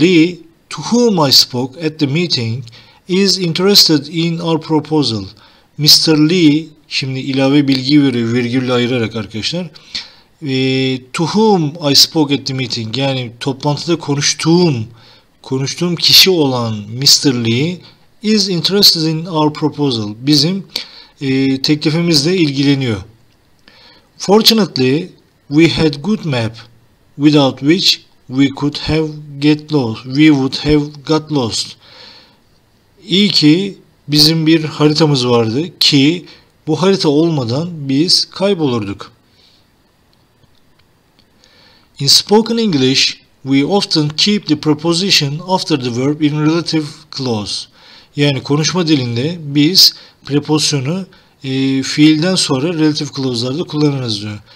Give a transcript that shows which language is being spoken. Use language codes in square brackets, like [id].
[en] Lee, to whom I spoke at the meeting, is interested in our proposal. Mr. [tr] Lee, şimdi ilave bilgi veriyor, virgülle ayırarak arkadaşlar. [en] To whom I spoke at the meeting, [tr] yani toplantıda konuştuğum kişi olan [en] Mr. Lee, is interested in our proposal. [tr] Bizim teklifimizle ilgileniyor. [en] Fortunately, we had good map, without which we could have get lost. We would have got lost. [tr] İyi ki bizim bir haritamız vardı ki bu harita olmadan biz kaybolurduk. [en] In spoken English, we often keep the preposition after the verb in relative clause. [tr] Yani konuşma dilinde biz preposition'u fiilden sonra relative clause'larda kullanırız diyor.